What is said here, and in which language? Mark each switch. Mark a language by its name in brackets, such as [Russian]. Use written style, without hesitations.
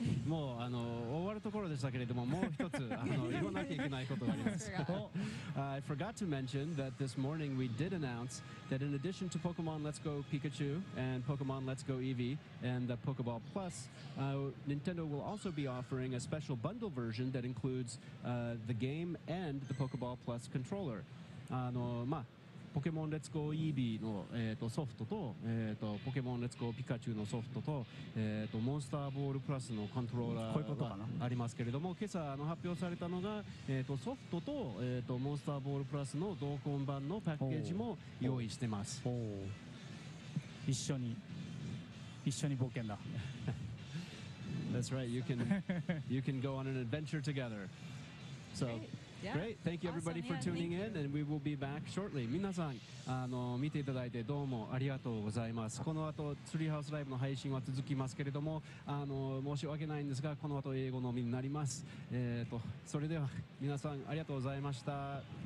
[Japanese] もうあの終わるところでしたけれども、もう一つあの言わなきゃいけないことがあります。 [English] I forgot to mention that this morning we did announce that in addition to Pokemon Let's Go Pikachu and Pokemon Let's Go Eevee and the Pokeball Plus, Nintendo will also be offering a special bundle version that includes the game and the Pokeball Plus controller. [Japanese] あのまあポケモンレッツゴーイービーの、ソフトと、ポケモンレッツゴーピカチュウのソフトと、モンスターボールプラスのコントローラーがありますけれども、今朝あの発表されたのが、ソフトと、モンスターボールプラスの同梱版のパッケージも用意してます。おお、一緒に一緒に冒険だ。 [English] That's right, you can go on an adventure together. So Yeah. Great, thank you everybody awesome. for yeah, tuning in and we will be back shortly. [Japanese] 皆さん、あの、見ていただいてどうもありがとうございます。この後ツリーハウスライブの配信は続きますけれども、あの、申し訳ないんですがこの後英語のみになります。それでは皆さんありがとうございました。